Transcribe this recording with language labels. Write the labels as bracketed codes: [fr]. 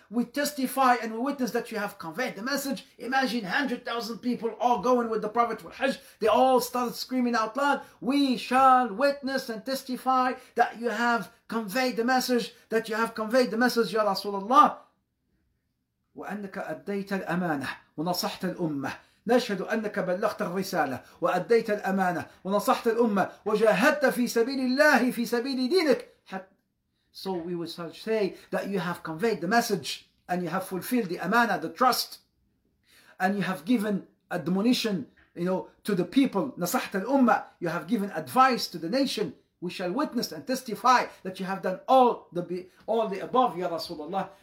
[en] We testify and we witness that you have conveyed the message. Imagine 100,000 people all going with the Prophet for Hajj. They all started screaming out loud, we shall witness and testify that you have conveyed the message, that you have conveyed the message, Ya Rasulullah. [ar] وَأَنَّكَ أَدَّيْتَ الْأَمَانَةِ وَنَصَحْتَ الْأُمَّةِ نشهد أنك بلغت الرسالة وأديت الأمانة ونصحت الأمة وجاهدت في سبيل الله في سبيل دينك. [en] So we would say that you have conveyed the message and you have fulfilled the amana, the trust, and you have given admonition, you know, to the people. [ar] نصحت الأمة. [en] You have given advice to the nation. We shall witness and testify that you have done all the above, Ya Rasulullah.